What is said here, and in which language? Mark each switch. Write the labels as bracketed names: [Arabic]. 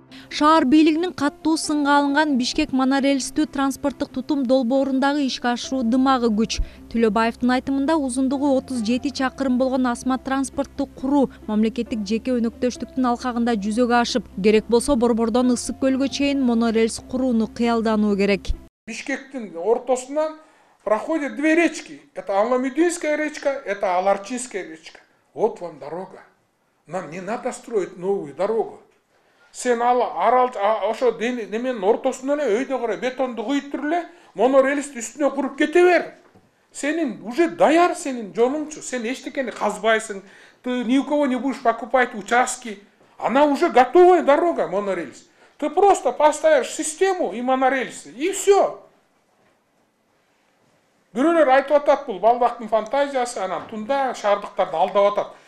[Kyrgyz] Шаар бийлигинин каттуу сынга алынган Бишкек монорельстүү транспорттук тутум долбоорундагы ишке ашыруу дымагы күч. Түлөбаевдин айтымында узундугу 37 чакырым болгон асма транспортту куруу мамлекеттик жеке өнөктөштүктүн алкагында жүзөгө ашып, керек болсо Борбордон Ысык Көлгө чейин монорельс курууну кыялдануу керек. [Russian] Бишкектин ортосунан проходят две речки. Это Аламидинская речка, это Аларчинская речка. Вот вам дорога. Нам не надо строить новую дорогу. [Kyrgyz] Сен арал ошо деменин ортосуна эле өйдө карай бетонду куюп турле, монорельс үстүнө куруп кете бер. Сенин уже даяр сенин жолуңчу. Сен эчтекени казбайсың. [Russian] Ты ни у кого не будешь покупать участки. Она уже готовая дорога, монорельс. Ты просто поставишь систему и монорельс и всё. [Kyrgyz] Бирөөлөр айтып атат, бул балбактын фантазиясы, анан тунда шаардыктарды алдап атат.